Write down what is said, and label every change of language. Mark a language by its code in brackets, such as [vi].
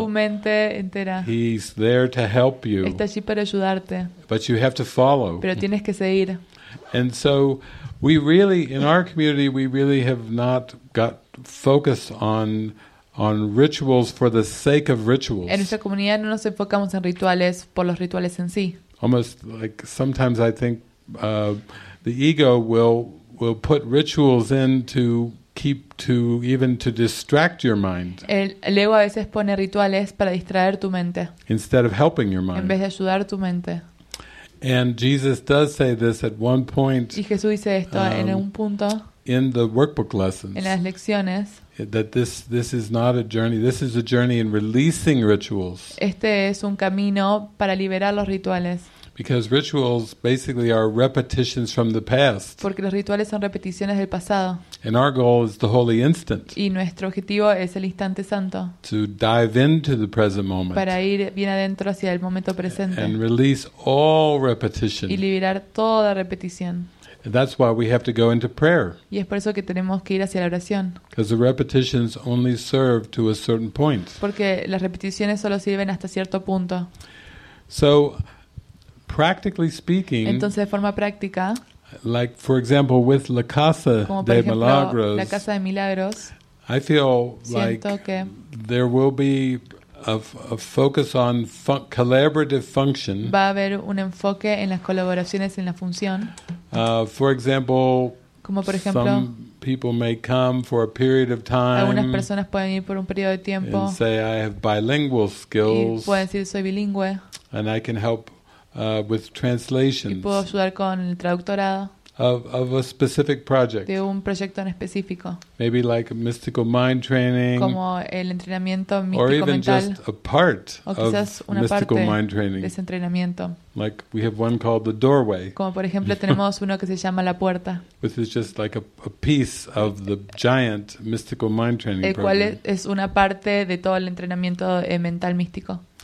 [es] Tu mente entera. [en] He's there to help you. [es] Está allí para ayudarte. [en] But you have to follow. [es] Pero tienes que seguir. [en] And so, we really, in our community, we really have not got focused on rituals for the sake of rituals. [es] En nuestra comunidad no nos enfocamos en rituales por los rituales en sí. [en] Almost like sometimes I think the ego will put rituals in to keep to even to distract your mind. [es] El ego a veces pone rituales para distraer tu mente. [en] Instead of helping your mind. [es] En vez de ayudar tu mente. [en] And Jesus does say this at one point. [es] Y Jesús dice esto en un punto. [en] In the workbook lessons. [es] En las lecciones. [en] That this is not a journey. This is a journey in releasing rituals. [es] Este es un camino para liberar los rituales. [en] Because rituals basically are repetitions from the past. [es] Porque los rituales son repeticiones del pasado. [en] And our goal is the holy instant. [es] Y nuestro objetivo es el instante santo. [en] To dive into the present moment. [es] Para ir bien adentro hacia el momento presente. [en] And release all repetition. [es] Y liberar toda repetición. [en] That's why we have to go into prayer. [es] Y es por eso que tenemos que ir hacia la oración. [en] Because the repetitions only serve to a certain point. [es] Porque las repeticiones solo sirven hasta cierto punto. [en] So, practically speaking. [es] Entonces, de forma práctica. [en] Like, for example, with La Casa de Milagros. [es] La Casa de Milagros. [en] I feel like there will be a focus on collaborative function. [es] Va a haber un enfoque en las colaboraciones en la función. [en] For example, [es] como por ejemplo, [en] some people may come for a period of time. [es] Algunas personas pueden ir por un periodo de tiempo. [en] And say I have bilingual skills. [es] Y pueden decir soy bilingüe. [en] And I can help with translations. [es] Y puedo ayudar con el traductorado. [en] Of a specific project. [es] De un proyecto en específico. [en] Maybe like a mystical mind training. [es] Como el entrenamiento místico mental. [en] Or even just a part of mystical mind training. [es] De ese entrenamiento. [en] Like we have one called the doorway. [es] Como por ejemplo tenemos uno que se llama la puerta. [en] Which is just like a piece of the giant mystical mind training. [es] El cual es una parte de todo el entrenamiento mental místico.